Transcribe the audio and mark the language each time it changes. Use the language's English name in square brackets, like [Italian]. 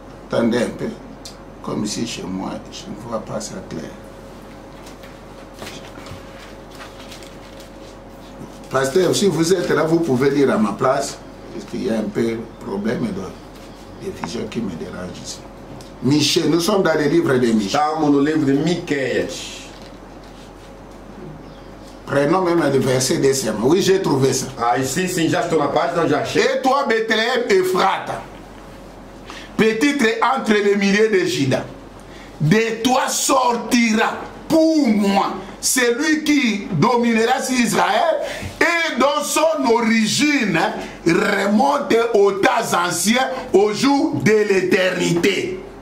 [French] Attendez un peu, comme ici chez moi, je ne vois pas ça clair. Pasteur, si vous êtes là, vous pouvez lire à ma place, parce qu'il y a un peu de problème de vision qui me dérange ici. Michel, nous sommes dans le livre de Michel. [Portuguese] Estamos no livro de Miqueias. [French] Prenons même le verset décembre. Oui, j'ai trouvé ça. Ah, ici, si j'ai acheté la page, donc j'ai acheté. Et toi, Bethléem et Frata. Petite entre les milliers de Juda, de toi sortira pour moi celui qui dominera sur Israël et dont son origine remonte aux temps anciens, au jour de l'éternité.